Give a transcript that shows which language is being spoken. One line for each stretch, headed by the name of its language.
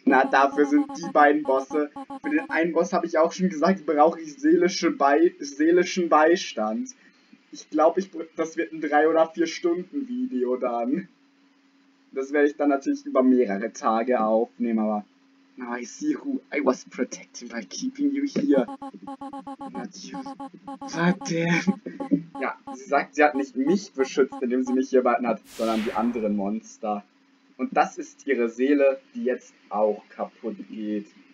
German: Na, dafür sind die beiden Bosse. Für den einen Boss habe ich auch schon gesagt, brauche ich seelischen Beistand. Ich glaube, das wird ein 3- oder 4-Stunden-Video dann. Das werde ich dann natürlich über mehrere Tage aufnehmen, aber.
English: Now I see who I was protecting by keeping you here. Not you. Goddamn.
German: Ja, sie sagt, sie hat nicht mich beschützt, indem sie mich hier behalten hat, sondern die anderen Monster. Und das ist ihre Seele, die jetzt auch kaputt geht.